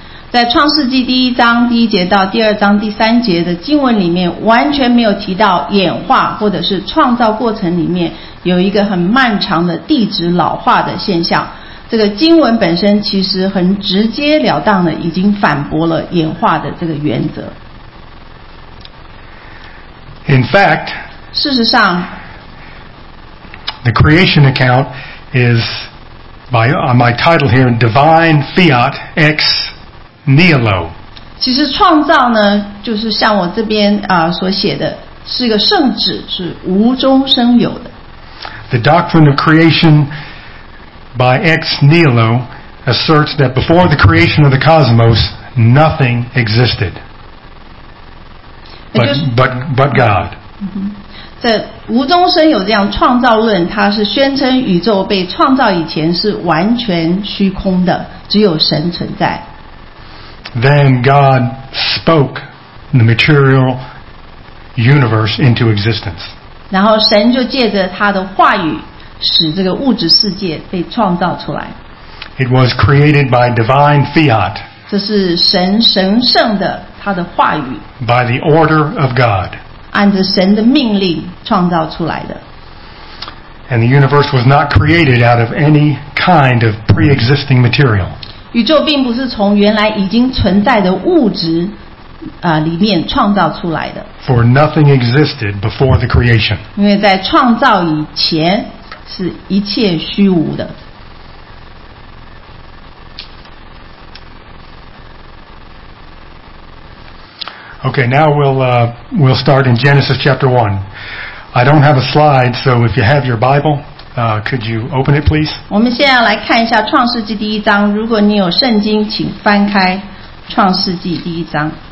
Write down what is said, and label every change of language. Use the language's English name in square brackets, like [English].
[Chinese] 在创世纪第一章第一节到第二章第三节的经文里面，完全没有提到演化或者是创造过程里面有一个很漫长的地质老化的现象。这个经文本身其实很直接了当的已经反驳了演化的这个原则。 [English] In fact, [Chinese] 事实上。 [English] The creation account is by my title here, Divine Fiat Ex Nihilo. [Chinese] 其实创造呢，就是像我这边所写的，是一个圣旨，是无中生有的。 [English] The doctrine of creation by Ex Nihilo asserts that before the creation of the cosmos, nothing existed. But God. [Chinese] 在吴宗生有这样创造论，他是宣称宇宙被创造以前是完全虚空的，只有神存在。 [English] Then God spoke the material universe into existence. [Chinese] 然后神就借着他的话语，使这个物质世界被创造出来。 [English] It was created by divine fiat. [Chinese] 这是神神圣的他的话语。 [English] By the order of God. [Chinese] 按着神的命令创造出来的。 [English] And the universe was not created out of any kind of pre-existing material. [Chinese] 宇宙并不是从原来已经存在的物质里面创造出来的。 [English] For nothing existed before the creation. [Chinese] 因为在创造以前是一切虚无的。 [English] Okay, now we'll start in Genesis chapter 1. I don't have a slide, so if you have your Bible, could you open it, please? [Chinese] 我们现在来看一下创世纪第一章。如果你有圣经，请翻开创世纪第一章。